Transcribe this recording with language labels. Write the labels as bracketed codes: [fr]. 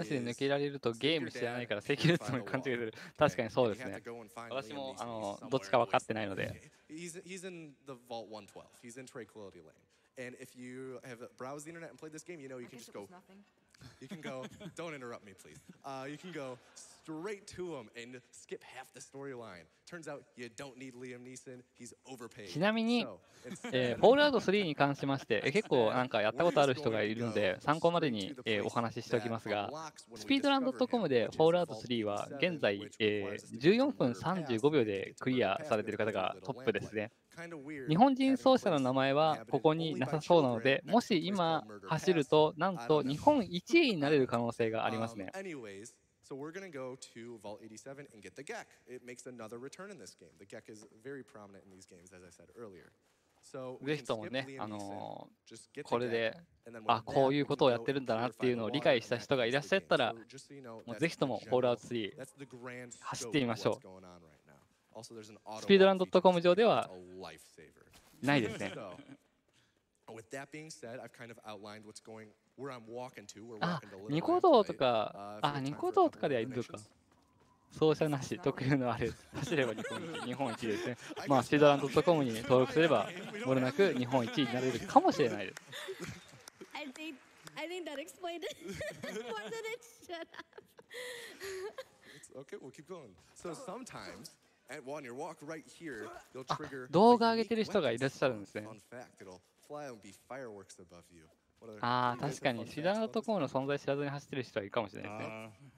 [ja] セキュリティも感じてる。確かにそうですね。私もどっちか分かってないので。 [en] He's in the Vault 112. He's in Tranquility Lane. And if you have browsed the internet and played this game, you know you can just go. You can go. Don't interrupt me, please. You can go straight to him and skip half the storyline. Turns out you don't need Liam Neeson. He's overpaid. [ja] ちなみに、Fallout 3に関しまして、結構なんかやったことある人がいるので、参考までに、お話ししておきますが、speedrun.com で Fallout 3は現在、14分35秒でクリアされている方がトップですね。日本人奏者の名前はここになさそうなので、もし今走ると、なんと日本1位になれる可能性がありますね。 [en] So we're going to go to Vault 87 and get the Gek. It makes another return in this game. The Gek is very prominent in these games, as I said earlier. So we can skip the Amnesian, just get the Gek, and then we'll go to the final one and then we'll go to the final one. So just so you know, that's the grand scope of what's going on right now. Also, there's an speedrun.com [ja] 上では [en] lifesaver. [ja] ないですね。 [en] So, with that being said, I've kind of outlined what's going on. Where I'm walking to, where [ja] ニコ動とか、ニコ動とかではいいのか。奏者なし、特有のあれ、走れば日本一ですね。まあ、speedrun.com に登録すれば、もれなく日本一になれるかもしれないです。 [en] I think that explained it more than it should have. Okay, we'll keep going. So sometimes, at one, your walk right here, you'll trigger. [ja] 動画上げてる人がいらっしゃるんですね。 [en] Fun fact, it'll fly and be fireworks above you. [ja] 確かに、シダーのところの存在知らずに走ってる人はいるかもしれないですね。